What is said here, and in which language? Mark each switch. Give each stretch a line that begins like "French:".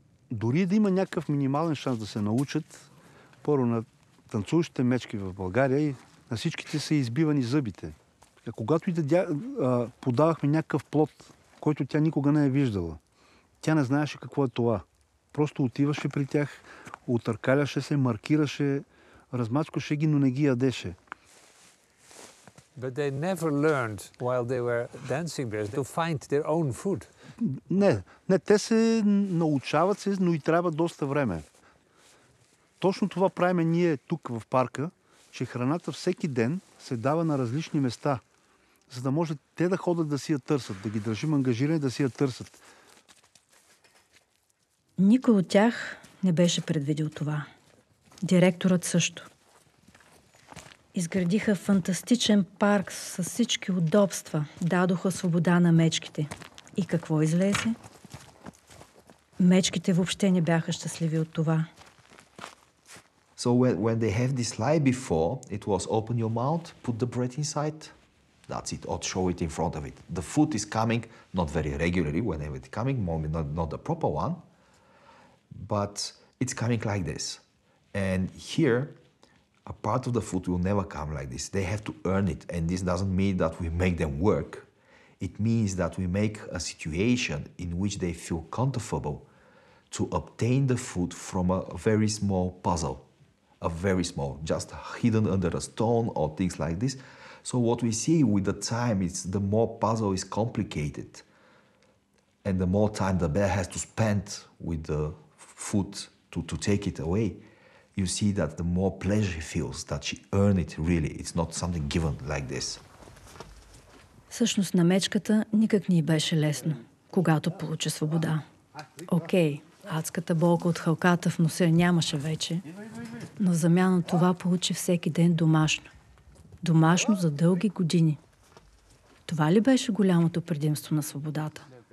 Bulgarian: Дори да има някакъв минимален шанс да се научат, първо на танцуващите мечки в България и на всичките са избивани зъбите. А когато и да подавахме някакъв плод, който тя никога не е виждала, тя не знаеше какво е това. Просто отиваше при тях, отъркаляше се, маркираше, размачкаше ги, но не ги ядеше.
English: But they never learned while they were dancing there to find their own food.
Bulgarian: Не, те се научават се, но и трябва доста време. Точно това правим ние тук в парка, че храната всеки ден се дава на различни места, за да може те да ходят да си я търсят, да ги държим ангажирани да си я търсят. Никой от тях не беше предвидил това. Директорът също. Изградиха фантастичен парк с всички удобства, дадоха свобода на мечките. И какво излезе? Мечките въобще не бяха щастливи от това.
English: So when they have this lie before, it was open your mouth, put the bread inside. That's it. Or show it in front of it. The food is coming, not very regularly, whenever it's coming, not the proper one. But it's coming like this. And here, a part of the food will never come like this. They have to earn it. And this doesn't mean that we make them work. It means that we make a situation in which they feel comfortable to obtain the food from a very small puzzle. A very small, just hidden under a stone or things like this. So what we see with the time is the more puzzle is complicated and the more time the bear has to spend with the food to take it away, you see that the more pleasure he feels, that she earned it really. It's not something given like this.
Bulgarian: Всъщност на мечката никак не беше лесно, когато получи свобода. Окей, адската болка от халката в носа нямаше вече, но в замяна това получи всеки ден домашно. Домашно за дълги години. Това ли беше голямото предимство на свободата?